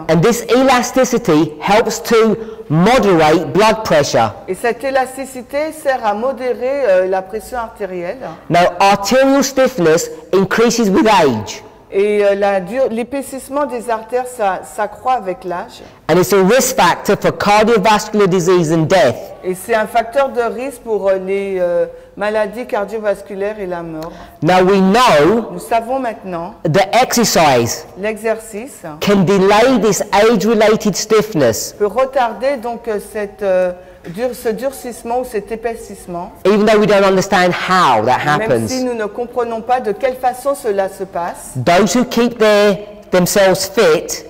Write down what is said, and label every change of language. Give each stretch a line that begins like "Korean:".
English: And this elasticity helps to moderate blood pressure.
French: Et cette élasticité sert à modérer la pression artérielle.
English: Now, arterial stiffness increases with age.
French: Et l'épaississement des artères s'accroît avec l'âge.
English: And it's a risk factor for cardiovascular disease and death.
French: Et c'est un facteur de risque pour les maladies cardiovasculaires et la mort.
English: Now we know.
French: Nous savons maintenant.
English: The exercise.
French: L'exercice.
English: Can delay this age-related stiffness.
French: Peut retarder donc cette ce durcissement ou cet épaississement.
English: Even though we don't understand how that happens.
French: Même si nous ne comprenons pas de quelle façon cela se passe.
English: Those who keep themselves fit.